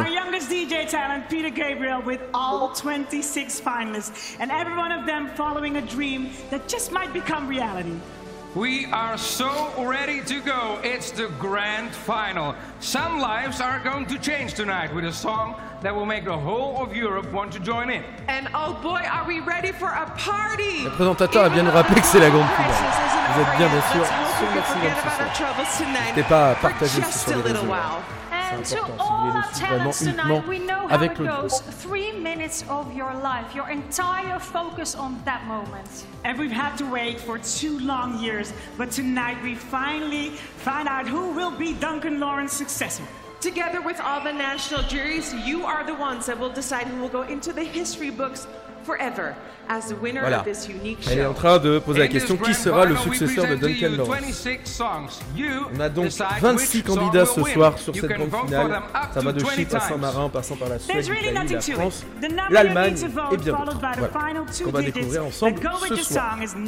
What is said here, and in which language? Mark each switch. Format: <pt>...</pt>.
<en>Our youngest DJ talent, Peter Gabriel, with all 26 finalists, and every one of them following a dream that just might become reality. We are so ready to go. It's the grand final. Some lives are going to change tonight with a song that will make the whole of Europe want to join in. And oh boy, are we ready for a party?</en> <fr>Le présentateur a bien nous rappelé que c'est la grande finale. Vous êtes bien sûr sur le N'hésitez pas à partager ce soir les réseaux.</fr> <en>To all our talents tonight, we know how it goes. 3 minutes of your life, your entire focus on that moment. And we've had to wait for 2 long years, but tonight we finally find out who will be Duncan Lawrence's successor. Together with all the national juries, you are the ones that will decide who will go into the history books forever as the winner</en> <fr>voilà.</fr> <en>of this unique show.</en> <fr>Elle est en train de poser la question, qui sera le successeur de Duncan Lawrence. On a donc 26 candidats ce soir sur cette grande finale. Ça va de Chypre à Saint-Marin, passant par la Suède, l'Italie, la France, l'Allemagne et bien d'autres. Voilà. On va découvrir ensemble ce soir.</fr>